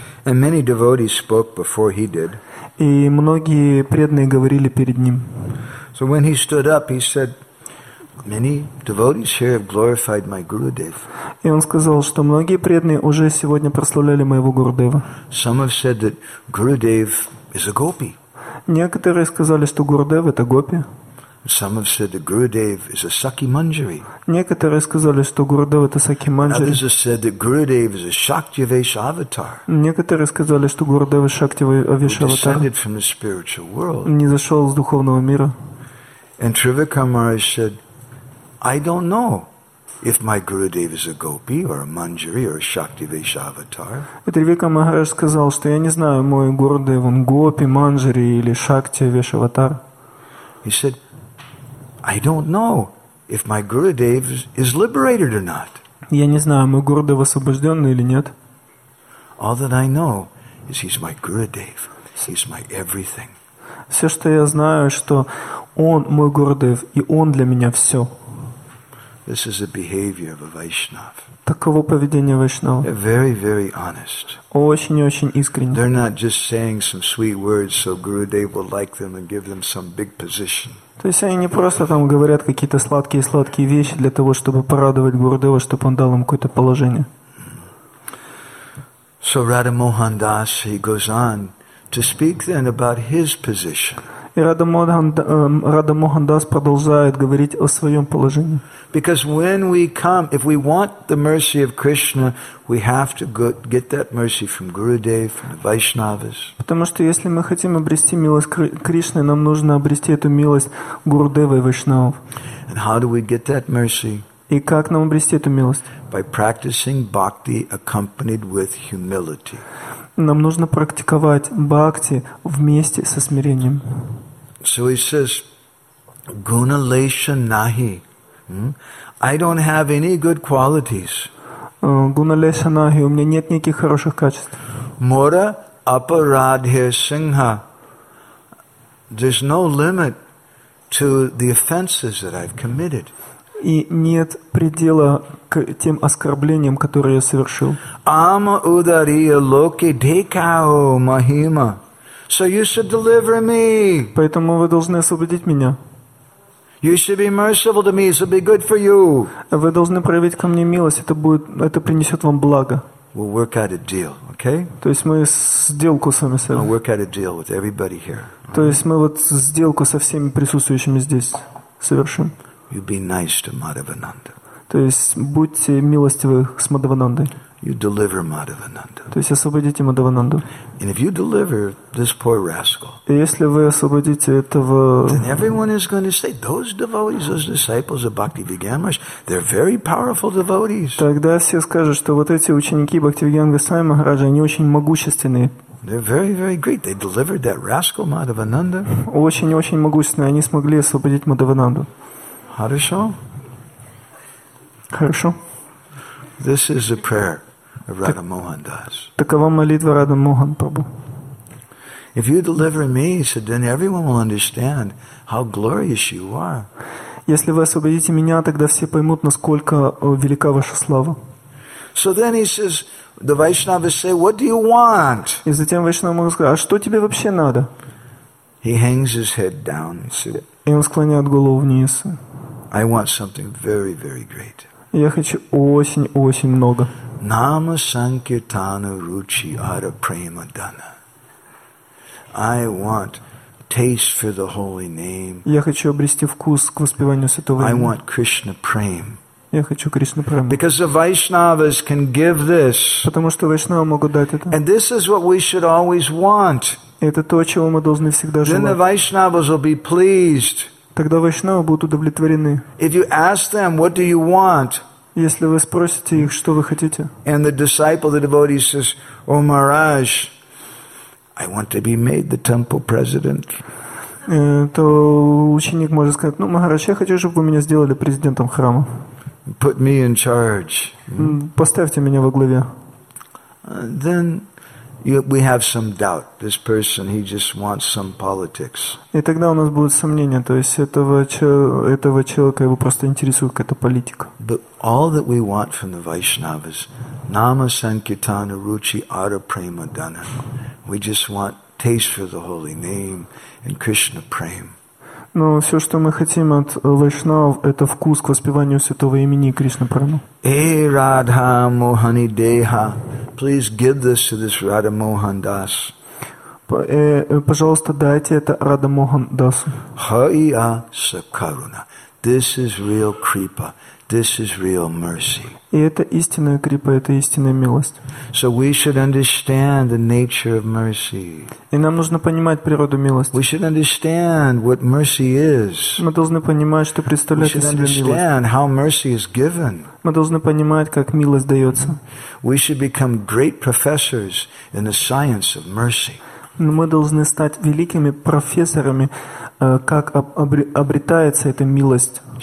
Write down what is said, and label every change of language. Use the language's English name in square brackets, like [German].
[English] And many devotees spoke before he did. [Russian] И многие преданные говорили перед ним. [English] So when he stood up, he said, many devotees here have glorified my Gurudev. [Russian] И он сказал, что многие преданные уже сегодня прославляли моего Гурудева. [English] Some have said that Gurudev is a gopi. [Russian] Некоторые сказали, что Гурудев это гопи. [English] Some have said that Gurudev is a Sakyamanjari. [Russian] Некоторые сказали, что Гурудев это Сакьяманджари. [English] Others have said that Gurudev is a Shaktivesh avatar. [Russian] Некоторые сказали, что Гурудев Шактивеш аватар. [English] Descended from the spiritual world. [Russian] Не зашел с духовного мира. [English] And Trivikram Maharaj said, I don't know if my Gurudev is a gopi or a manjari or a Shaktivesha avatar. [Russian] Тривикрам Махарадж сказал, что я не знаю, мой Гурудев он гопи, манджари или Шактивеша аватар. [English] He said, I don't know if my Gurudev is liberated or not. [Russian] Я не знаю, мой Гурудев освобожденный или нет. [English] All that I know is he's my Gurudev. He's my everything. [Russian] Все, что я знаю, что он мой Гурудев, и он для меня все. [English] This is a behavior of a Vaishnav. [Russian] Таково поведение Вайшнава. [English] They're very, very honest. [Russian] Очень-очень искренне. [English] They're not just saying some sweet words so Gurudev will like them and give them some big position. [Russian] То есть они не просто там говорят какие-то сладкие-сладкие вещи для того, чтобы порадовать Гурудева, чтобы он дал им какое-то положение. [English] So Radha Mohan Das, he goes on to speak then about his position. [Russian] И Радха Мохан Дас продолжает говорить о своем положении. [English] Because when we come, if we want the mercy of Krishna, we have to get that mercy from Gurudev, from the Vaishnavas. [Russian] Потому что если мы хотим обрести милость Кришны, нам нужно обрести эту милость Гурудева и Вайшнавов. [English] And how do we get that mercy? [Russian] И как нам обрести эту милость? [English] By practicing bhakti accompanied with humility. [Russian] Нам нужно практиковать бхакти вместе со смирением. [English] So he says, [Bangla] guna lesha nahi. [English] I don't have any good qualities. [Bangla] Guna lesha nahi. [Russian] У меня нет никаких хороших качеств. [Bangla] Mora aparadhe singha. [English] There's no limit to the offenses that I've committed. [Russian] И нет предела к тем оскорблениям, которые я совершил. [Bangla] Ама ударья локи декао махима. [English] So you should deliver me. [Russian] Поэтому вы должны освободить меня. [English] You should be merciful to me. It will be good for you. [Russian] Вы должны проявить ко мне милость. Это принесет вам благо. [English] We'll work out a deal, okay? [Russian] То есть мы сделку с вами сделаем. [English] We'll work out a deal with everybody here. [Russian] То есть мы вот сделку со всеми присутствующими здесь совершим. [English] You be nice to Madhavananda. [Russian] То есть будьте милостивы с Мадхавананды. [English] You deliver Madhavananda. [Russian] То есть освободите Мадхавананду. [English] And if you deliver this poor rascal, [Russian] и если вы освободите этого, [English] then everyone is going to say those devotees, those disciples of Bhakti Vigyanvasa, they're very powerful devotees. [Russian] Тогда все скажут, что вот эти ученики Бхакти Вигьянвасаи Махараджа, они очень могущественные. [English] They're very, very great. They delivered that rascal Madhavananda. [Russian] Очень-очень могущественные. Они смогли освободить Мадхавананду. Хорошо. Хорошо. [English] This is a prayer of Radha Mohan Das. [Russian] Такова молитва Радха Мохан Прабху. [English] If you deliver me, so then everyone will understand how glorious you are. [Russian] Если вы освободите меня, тогда все поймут, насколько велика ваша слава. [English] So then he says, the Vaishnavas say, what do you want? [Russian] И затем Вайшнавы могут сказать, а что тебе вообще надо? [English] He hangs his head down. [Russian] И он склоняет голову вниз. [English] I want something very, very great. [Russian] Я хочу очень-очень много. [Bangla] Nama sankirtana ruchi ara prema dana. [English] I want taste for the holy name. [Russian] Я хочу обрести вкус к воспеванию святого имени. [English] I want Krishna prema. [Russian] Я хочу Кришну прему. [English] Because the Vaishnavas can give this. [Russian] Потому что Вайшнавы могут дать это. [English] And this is what we should always want. [Russian] Это то, чего мы должны всегда желать. [English] Then the Vaishnavas will be pleased. [Russian] Тогда Вайшнавы будут удовлетворены. [English] If you ask them, what do you want? [Russian] Если вы спросите их, что вы хотите. [English] And the disciple, the devotee says, "O Maharaj, I want to be made the temple president." [Russian] То ученик может сказать, ну, Махарадж, я хочу, чтобы вы меня сделали президентом храма. [English] Put me in charge. [Russian] Поставьте меня во главе. [English] Then we have some doubt. This person, he just wants some politics. [Russian] И тогда у нас будут сомнения, то есть этого человека его просто интересует какая-то политика. [English] But all that we want from the Vaishnavas, [Bangla] Nama Sankirtana Ruchi Ada Prema Dana. [English] We just want taste for the holy name and Krishna Prem. [Russian] Но все, что мы хотим от Вайшнав, это вкус к воспеванию святого имени Кришна Прама. [Bangla] Эй, Радха Мохани Деха, [English] please give this to this Radha Mohan Das. [Russian] Пожалуйста, дайте это Радха Мохан Дасу. [Bangla] Хайя Сакаруна. [English] This is real Kripa. This is real mercy. [Russian] И это истинная крипа, это истинная милость. [English] So we should understand the nature of mercy. [Russian] И нам нужно понимать природу милости. [English] We should understand what mercy is. [Russian] Мы должны понимать, что представляет из себя милость. [English] We should understand how mercy is given. [Russian] Мы должны понимать, как милость дается. [English] We should become great professors in the science of mercy. [Russian] Мы должны стать великими профессорами, как обретается эта милость.